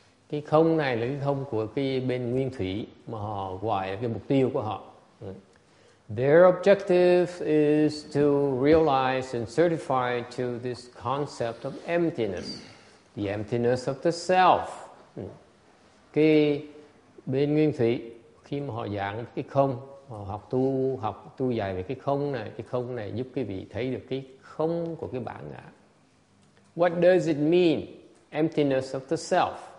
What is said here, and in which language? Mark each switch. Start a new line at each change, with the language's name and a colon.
Vietnamese: Cái không này là cái không của cái bên nguyên thủy mà họ gọi là cái mục tiêu của họ.
English: Their objective is to realize and certify to this concept of emptiness. The emptiness of the self.
Vietnamese: Cái bên nguyên thủy khi mà họ giảng cái không, họ học tu dài về cái không này giúp quý vị thấy được cái không của cái bản ngã.
English: What does it mean? Emptiness of the self.